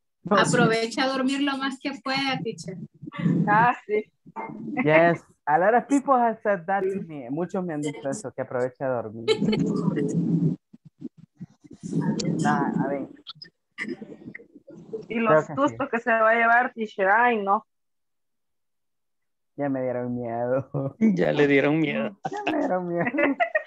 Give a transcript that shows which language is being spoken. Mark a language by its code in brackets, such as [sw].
[es] Aprovecha a dormir lo más que pueda, teacher. Ah, sí. [en] Yes, a lot of people have said that to me. [es] Muchos me han dicho eso, que aproveche a dormir. Nah, a ver. Y los sustos que se va a llevar, teacher, ay, no. Ya me dieron miedo. Ya le dieron miedo. Ya me dieron miedo.